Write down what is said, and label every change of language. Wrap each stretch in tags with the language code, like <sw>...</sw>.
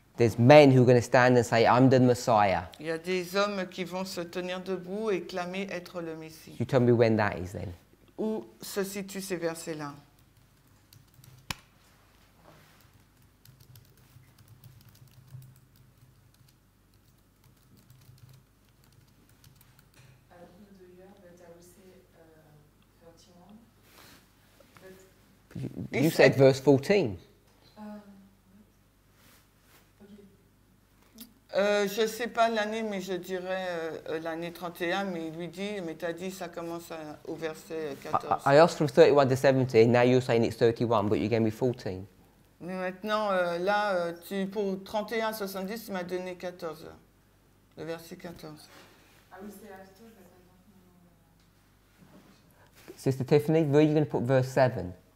<en>There's men who are going to stand and say, I'm the Messiah.</en> <fr>Il y a des hommes qui vont se tenir debout et clamer être le Messie.</fr> <en>You tell me when that is then.</en> <fr>Où se situent ces versets-là?</fr> <en>You said verse 14.</en> <fr>Je ne sais pas l'année, mais je dirais l'année 31, mais il lui dit, mais tu as dit, ça commence au verset 14.</fr> <en>I asked from 31 to 17, now you're saying it's 31, but you gave me 14.</en> <fr>Mais maintenant, là, tu, pour 31 à 70, tu m'as donné 14, le verset 14.</fr> <en>Sister Tiffany, where are you going to put verse 7?</en>